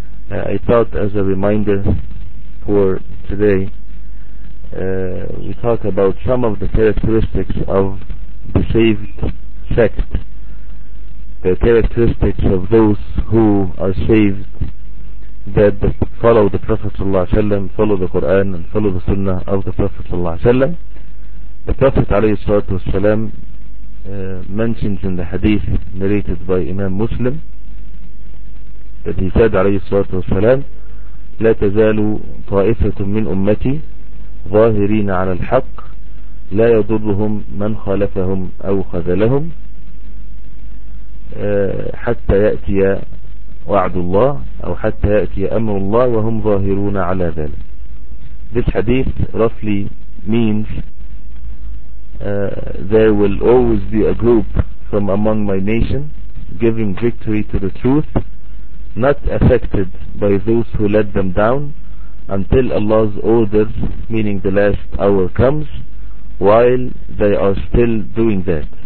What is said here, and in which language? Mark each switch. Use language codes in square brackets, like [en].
[en] I thought as a reminder for today, we talk about some of the characteristics of the saved sect, the characteristics of those who are saved, that follow the Prophet sallallahu alaihi wasallam, follow the Quran and follow the Sunnah of the Prophet sallallahu alaihi wasallam. The Prophet alayhi salatu wasalam mentions in the hadith narrated by Imam Muslim that he said alayhi salatu wasalam, [ar] لا تزال طائفة من أمتي ظاهرين على الحق لا يضرهم من خالفهم أو خذلهم حتى يأتي وعد الله أو حتى يأتي أمر الله وهم ظاهرون على ذلك. [en] This hadith roughly means there will always be a group from among my nation giving victory to the truth, not affected by those who let them down, until Allah's order, meaning the last hour, comes, while they are still doing that.